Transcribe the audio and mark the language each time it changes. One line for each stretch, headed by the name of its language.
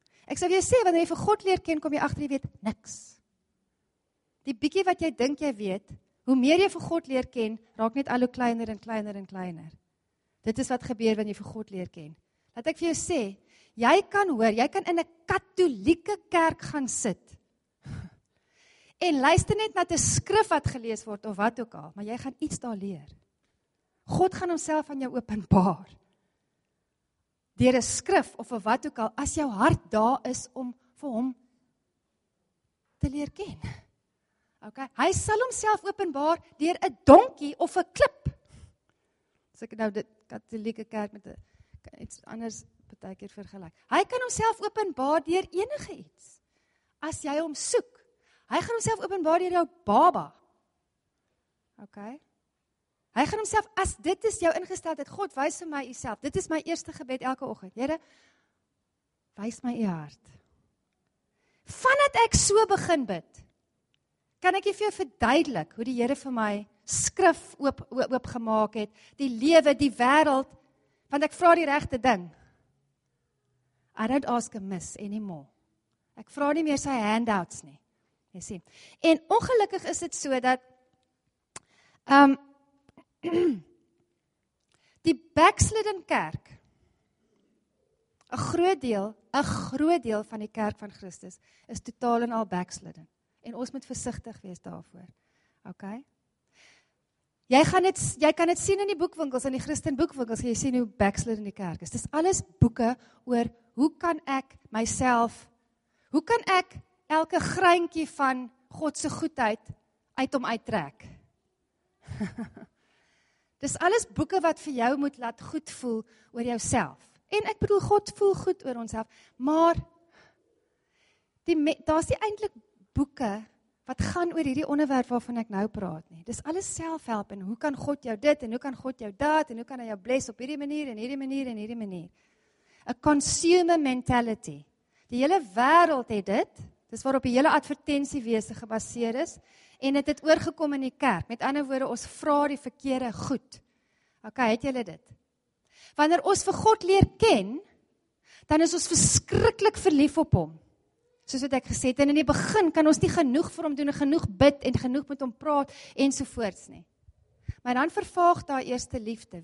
Afrikaans: Ek sê jy sê wanneer jy vir God leer ken, kom jy agter jy weet niks. Die bietjie wat jy dink jy weet, hoe meer jy vir God leer ken, raak net al hoe kleiner en kleiner en kleiner. Dit is wat gebeur wanneer jy vir God leer ken. Laat ek vir jou sê, jy kan hoor, jy kan in 'n katolieke kerk gaan sit en luister net na 'n skrif wat gelees word of wat ook al, maar jy gaan iets daar leer. God gaan homself aan jou openbaar. Deur 'n skrif of 'n wat ook al, as jou hart daar is om vir hom te leer ken. OK, hy sal homself openbaar deur 'n donkie of 'n klip. As ek nou dit katolieke kerk met 'n iets anders partykeer vergelyk. Hy kan homself openbaar deur enige iets as jy hom soek. Hy gaan homself openbaar deur jou baba. OK. Hy gaan homself as dit is jou ingesteldheid, God wys vir my Uself. Dit is my eerste gebed elke oggend. Here, wys my U hart. Vandat ek so begin bid, kan ek jy vir jou verduidelik hoe die Here vir my skrif oop gemaak het, die lewe, die wêreld, want ek vra die regte ding.
English: I don't ask amiss anymore.
Afrikaans: Ek vra nie meer sy handouts nie. Jy sien. En ongelukkig is dit so dat die backslidden kerk, een groot deel van die kerk van Christus, is totaal en al backslidden. En ons moet versigtig wees daarvoor. Ok? Jy kan het sien in die boekwinkels, in die Christen boekwinkels, jy sien hoe backslidden die kerk is. Dit is alles boeke oor hoe kan ek myself, hoe kan ek elke greintjie van Godse goedheid uit om uittrek? Dit is alles boeke wat vir jou moet laat goed voel oor jouself. En ek bedoel, God voel goed oor onsself, maar daar is die eintlik boeke wat gaan oor hierdie onderwerp waarvan ek nou praat nie. Dit is alles selfhelp en hoe kan God jou dit en hoe kan God jou dat en hoe kan hy jou bless op hierdie manier en hierdie manier en hierdie manier.
English: A consumer mentality.
Afrikaans: Die hele wêreld het dit, dis waarop die hele advertensiewese gebaseer is, en het oorgekom in die kerk. Met ander woorde, ons vra die verkeerde goed. Ok, het julle dit? Wanneer ons vir God leer ken, dan is ons verskriklik verlief op hom. Soos wat ek gesê het, en in die begin kan ons nie genoeg vir hom doen, genoeg bid en genoeg met hom praat, ensovoorts nie. Maar dan vervaag daar eerste liefde.